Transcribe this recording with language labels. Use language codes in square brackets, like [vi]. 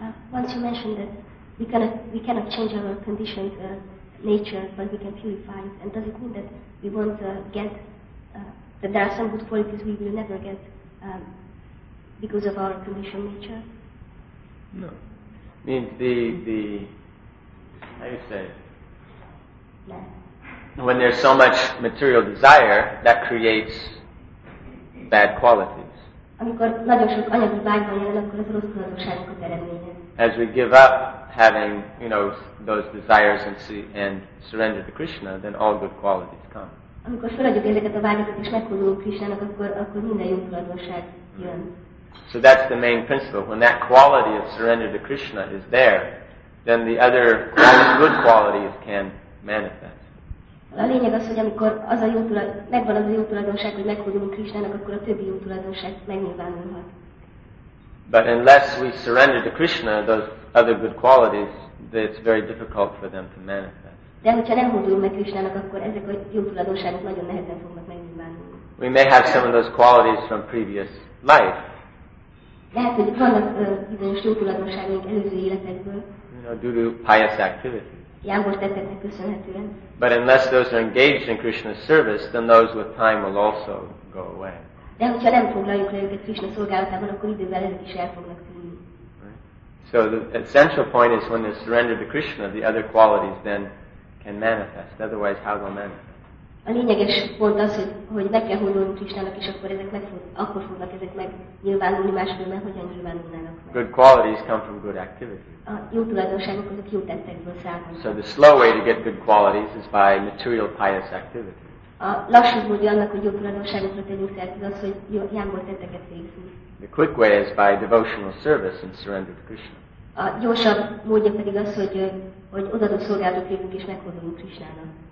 [en] Once you mentioned that we cannot change our conditioned nature, but we can purify it. And does it mean that we won't get that there are some good qualities we will never get because of our conditioned nature? No. I mean the how you say? Yeah. When there's so much material desire, that creates bad qualities. [hu] Amikor nagyon sok anyagi vágy van jelen, akkor ez rossz tulajdonságokat eredményez. [en] As we give up having, you know, those desires and see, and surrender to Krishna, then all good qualities come. [hu] Amikor feladjuk ezeket a vágyakat és megfordulunk Krishnának, akkor minden jó tulajdonság jön. [en] So that's the main principle. When that quality of surrender to Krishna is there, then the other good qualities can manifest. [hu] A lényeg az, hogy amikor az a jó tulajdonság, megvan az a jó tulajdonság, hogy megfordulunk Krishnának, akkor a többi jó tulajdonság megnyilvánulhat. [en] But unless we surrender to Krishna, those other good qualities, it's very difficult for them to manifest. [hu] De hogyha nem hódulunk meg Krishnának, akkor ezek a jó tulajdonságok nagyon nehezen fognak megnyilvánulni. [en] We may have some of those qualities from previous life. [hu] Lehet, hogy vannak bizonyos jó tulajdonságok előző életekből. [en] You know, due to pious activities. [hu] Jámbor tetteknek köszönhetően. [en] But unless those are engaged in Krishna's service, then those with time will also go away. [hu] De hogyha nem foglaljuk le őket Krishna szolgálatában, akkor idővel ezek is el fognak tűnni. [en] So the essential point is when they surrender to Krishna, the other qualities then can manifest. Otherwise, how will manifest? [hu] A lényeges pont az, hogy meg kell hódolni Krishnának, és akkor ezek meg akkor fognak ezek meg nyilvánulni máskor, mert hogyan nyilvánulnának meg. [en] Good qualities come from good activity. [hu] A jó tulajdonságok azok jó tettekből származnak. [en] So the slow way to get good qualities is by material pious activity. [hu] A lassú módja annak, hogy jó tulajdonságokra tegyünk szert, az az, hogy jámbor tetteket végzünk. [en] The quick way is by devotional service and surrender to Krishna. [hu] A gyorsabb módja pedig az, hogy odaadó szolgálatot végzünk és meghozunk Krishnának.